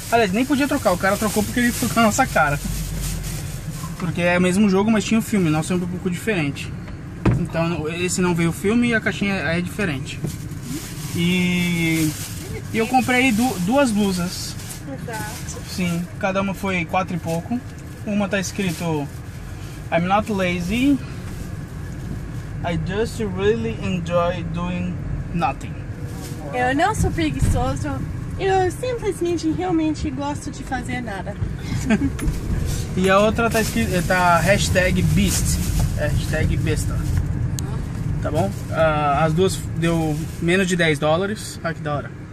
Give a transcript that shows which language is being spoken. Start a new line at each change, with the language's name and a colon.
Portuguese: Aliás, nem podia trocar. O cara trocou porque ele ficou com a nossa cara. Porque é o mesmo jogo, mas tinha o filme. Nosso é um pouco diferente. Então, esse não veio o filme e a caixinha é diferente. E eu comprei duas blusas. Exato. Sim, cada uma foi quatro e pouco. Uma tá escrito
English: I'm not lazy, I just really enjoy doing nothing.
Portuguese: Eu não sou preguiçoso, eu simplesmente realmente gosto de fazer nada. E a outra tá escrito, tá hashtag beast, hashtag besta. Tá bom? As duas deu menos de 10 dólares, olha que da hora.